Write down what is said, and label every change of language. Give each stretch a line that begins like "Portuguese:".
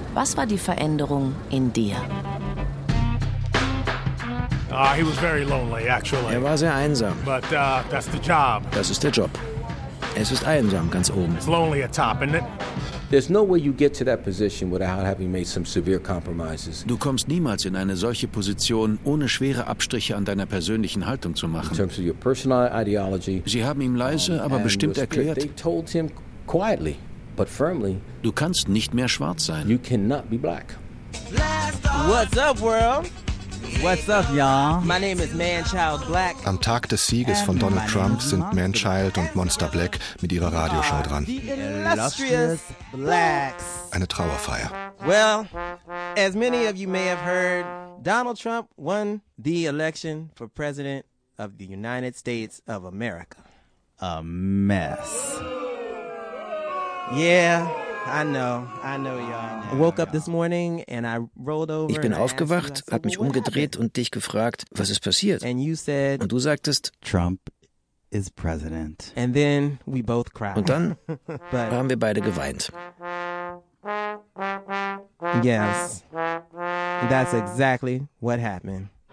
German: Was war die Veränderung in dir?
English: He was very lonely, actually.
German: Er war sehr einsam.
English: But that's the job.
German: Das ist der Job. Es ist einsam ganz oben.
English: It's lonely at top, isn't it? There's no way you get to that position without having made some severe compromises.
German: Du kommst niemals in eine solche Position, ohne schwere Abstriche an deiner persönlichen Haltung zu machen.
English: In terms of your personal ideology.
German: Sie haben ihm leise, aber bestimmt erklärt.
English: They told him quietly, but firmly.
German: Du kannst nicht mehr schwarz sein.
English: You cannot be black. What's up, world? What's up, y'all? My name is Manchild Black.
German: Am Tag des Sieges von Donald Trump sind Manchild und Monster Black mit ihrer Radioshow dran.
English: Illustrious Blacks.
German: Eine Trauerfeier.
English: Well, as many of you may have heard, Donald Trump won the election for President of the United States of America. A mess. Yeah. I know, y'all. Yeah, I woke up this morning and I rolled over.
German: Ich bin aufgewacht, habe mich umgedreht und dich gefragt, was ist passiert?
English: And you said,
German: und du sagtest,
English: Trump is president. And then we both cried.
German: Und dann haben wir beide geweint.
English: Yes, that's exactly what happened.